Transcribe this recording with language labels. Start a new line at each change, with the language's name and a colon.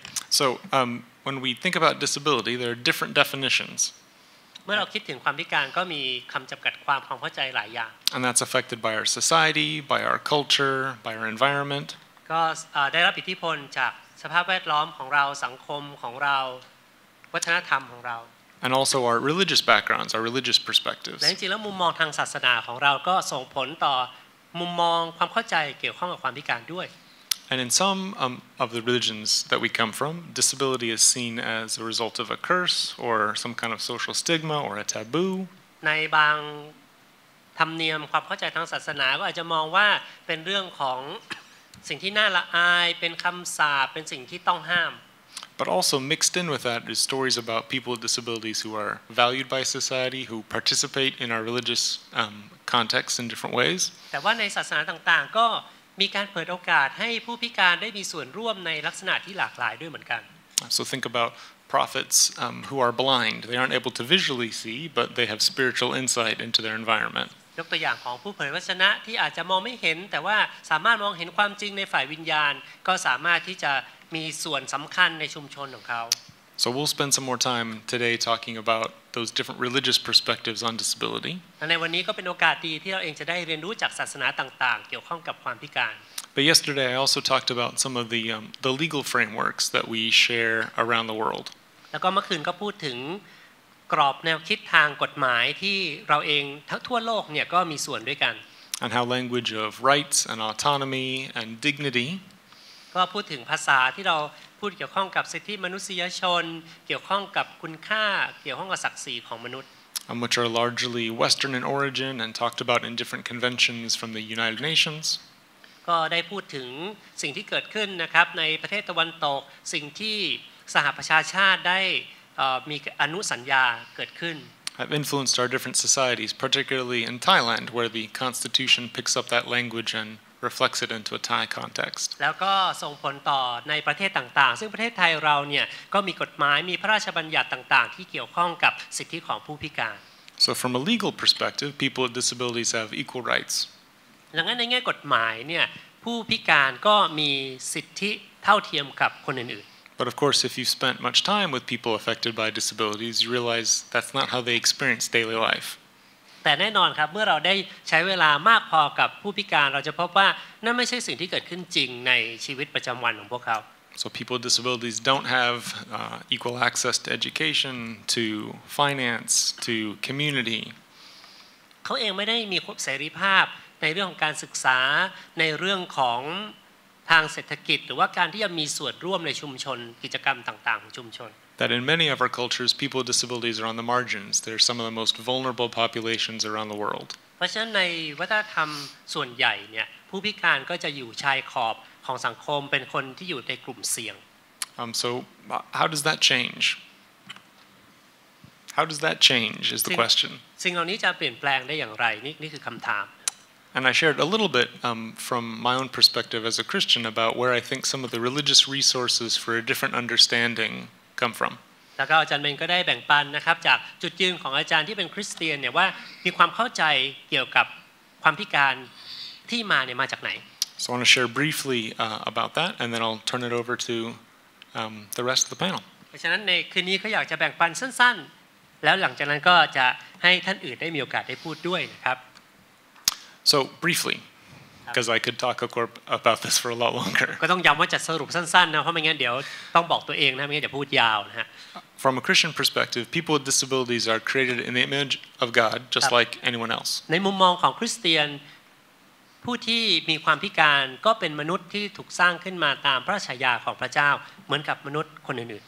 English: So when we think about disability, there are different definitions.
Thai: เมื่อเราคิดถึงความพิการก็มีคำจำกัดความความเข้าใจหลายอย่าง
English: And that's affected by our society, by our culture, by our environment.
Thai: ก็ได้รับอิทธิพลจากสภาพแวดล้อมของเราสังคมของเราวัฒนธรรมของเรา
English: And also our religious backgrounds, our religious perspectives.
Thai: และจริงๆแล้วมุมมองทางศาสนาของเราก็ส่งผลต่อมุมมองความเข้าใจเกี่ยวข้องกับความพิการด้วย
English: And in some of the religions that we come from, disability is seen as a result of a curse or some kind of social stigma or a taboo.
Thai: ในบางธรรมเนียมความเข้าใจทางศาสนาก็อาจจะมองว่าเป็นเรื่องของสิ่งที่น่าละอายเป็นคำสาปเป็นสิ่งที่ต้องห้าม
English: But also mixed in with that is stories about people with disabilities who are valued by society, who participate in our religious contexts in different ways.
Thai: แต่ว่าในศาสนาต่างๆก็ มีการเปิดโอกาสให้ผู้พิการได้มีส่วนร่วมในลักษณะที่หลากหลายด้วยเหมือนกัน
English: So think about prophets who are blind. They aren't able to visually see, but they have spiritual insight into their environment.
Thai: ยกตัวอย่างของผู้เผยพระชนะที่อาจจะมองไม่เห็นแต่ว่าสามารถมองเห็นความจริงในฝ่ายวิญญาณก็สามารถที่จะมีส่วนสำคัญในชุมชนของเขา
English: So we'll spend some more time today talking about those different religious perspectives on disability.
Thai: และในวันนี้ก็เป็นโอกาสดีที่เราเองจะได้เรียนรู้จากศาสนาต่างๆเกี่ยวข้องกับความพิการ
English: But yesterday I also talked about some of the legal frameworks that we share around the world.
Thai: แล้วก็เมื่อคืนก็พูดถึงกรอบแนวคิดทางกฎหมายที่เราเองทั่วโลกเนี่ยก็มีส่วนด้วยกัน
English: And how language of rights and autonomy and dignity
Thai: ก็พูดถึงภาษาที่เราพูดเกี่ยวข้องกับสิทธิมนุษยชนเกี่ยวข้องกับคุณค่าเกี่ยวข้องกับศักดิ์ศรีของมนุษย์
English: which are largely Western in origin and talked about in different conventions from the United Nations
Thai: ก็ได้พูดถึงสิ่งที่เกิดขึ้นนะครับในประเทศตะวันตกสิ่งที่สหประชาชาติได้มีอนุสัญญาเกิดขึ้น
English: have influenced our different societies particularly in Thailand where the constitution picks up that language andreflects it into a Thai context.
Thai: แล้วก็ส่งผลต่อในประเทศต่างๆซึ่งประเทศไทยเราเนี่ยก็มีกฎหมายมีพระราชบัญญัติต่างๆที่เกี่ยวข้องกับสิทธิของผู้พิการ
English: So from a legal perspective, people with disabilities have equal rights.
Thai: ดังนั้นในแง่กฎหมายเนี่ยผู้พิการก็มีสิทธิเท่าเทียมกับคนอื่น
English: ๆ But of course, if you've spent much time with people affected by disabilities, you realize that's not how they experience daily life.
Thai: แต่แน่นอนครับเมื่อเราได้ใช้เวลามากพอกับผู้พิการเราจะพบว่านั่นไม่ใช่สิ่งที่เกิดขึ้นจริงในชีวิตประจำวันของพวกเขา
English: So people with disabilities don't have equal access to education, to finance, to community.
Thai: เขาเองไม่ได้มีเสรีภาพในเรื่องของการศึกษาในเรื่องของทางเศรษฐกิจหรือว่าการที่จะมีส่วนร่วมในชุมชนกิจกรรมต่างๆของชุมชน
English: That in many of our cultures, people with disabilities are on the margins. They're some of the most vulnerable populations around the world.
Thai: เพราะฉะนั้นในวัฒนธรรมส่วนใหญ่เนี่ยผู้พิการก็จะอยู่ชายขอบของสังคมเป็นคนที่อยู่ในกลุ่มเสี่ยง
English: So how does that change? How does that change is the question.
Thai: สิ่งเหล่านี้จะเปลี่ยนแปลงได้อย่างไรนี่คือคำถาม
English: And I shared a little bit from my own perspective as a Christian about where I think some of the religious resources for a different understanding. Come from.
Thai: แล้วก็อาจารย์เบนก็ได้แบ่งปันนะครับจากจุดยืนของอาจารย์ที่เป็นคริสเตียนเนี่ยว่ามีความเข้าใจเกี่ยวกับความพิการที่มาเนี่ยมาจากไหน
English: So I want to share briefly about that, and then I'll turn it over to the rest of the panel.
Thai: เพราะฉะนั้นในคืนนี้เขาอยากจะแบ่งปันสั้นๆแล้วหลังจากนั้นก็จะให้ท่านอื่นได้มีโอกาสได้พูดด้วยนะครับ
English: So briefly. Because I could talk about this for a lot longer.
Thai: ก็ต้องย้ำว่าจะสรุปสั้นๆนะเพราะไม่งั้นเดี๋ยวต้องบอกตัวเองนะไม่งั้นจะพูดยาวนะฮะ
English: From a Christian perspective, people with disabilities are created in the image of God, just like anyone else.
Thai: ในมุมมองของคริสเตียนผู้ที่มีความพิการก็เป็นมนุษย์ที่ถูกสร้างขึ้นมาตามพระฉายาของพระเจ้าเหมือนกับมนุษย์คนอื่น